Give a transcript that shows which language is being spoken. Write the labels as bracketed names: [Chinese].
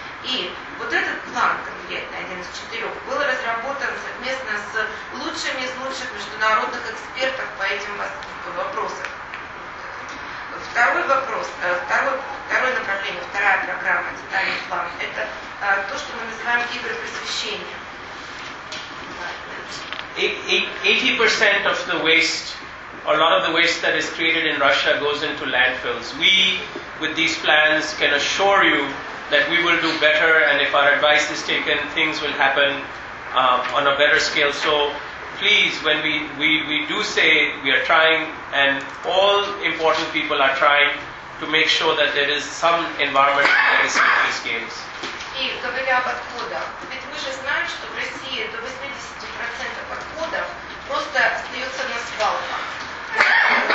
[Russian] И вот этот план конкретно, один из четырех, был разработан совместно с лучшими из лучших международных экспертов по этим вопросам. Второй вопрос, второе направление, вторая программа, детальный план, это то, что мы называем игры просвещения. [English] 80% of the waste, a lot of the waste that is created in Russia goes into landfills. We, with these plans, can assure you that we will do better, and if our advice is taken, things will happen on a better scale. So please, when we do say we are trying, and all important people are trying to make sure that there is some environmental medicine in these games. [Russian] И говоря об отходах, ведь мы же знаем, что в России до 80% отходов просто остается на свалках.